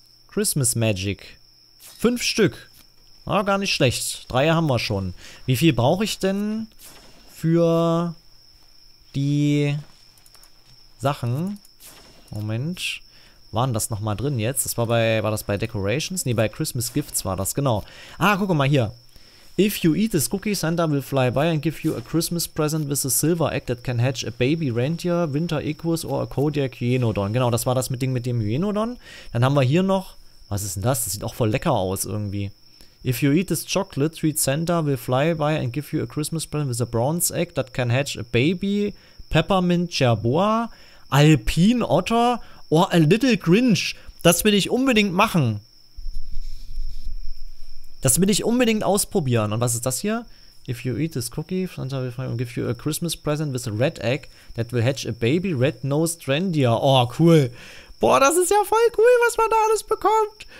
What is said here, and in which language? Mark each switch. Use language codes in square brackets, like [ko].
[de] Christmas Magic. 5 Stück. Ah, gar nicht schlecht. 3 haben wir schon. Wie viel brauche ich denn für die Sachen? Moment. Waren das nochmal drin jetzt? Das war bei Decorations? Nee, bei Christmas Gifts war das, genau. Ah, guck mal hier. [en] If you eat this cookie, Santa will fly by and give you a Christmas present with a silver egg that can hatch a baby reindeer, winter equus or a Kodiak Hyenodon. [de] Genau, das war das mit dem Hyenodon. Dann haben wir hier noch, was ist denn das? Das sieht auch voll lecker aus irgendwie. [en] If you eat this chocolate, Treat Santa will fly by and give you a Christmas present with a bronze egg that can hatch a baby, peppermint gerboa, alpine otter or a little Grinch. [de] Das will ich unbedingt machen. Das will ich unbedingt ausprobieren. Und was ist das hier? [en] If you eat this cookie, Santa will fly and give you a Christmas present with a red egg that will hatch a baby red-nosed reindeer. [de] Oh, cool. Boah, das ist ja voll cool, was man da alles bekommt.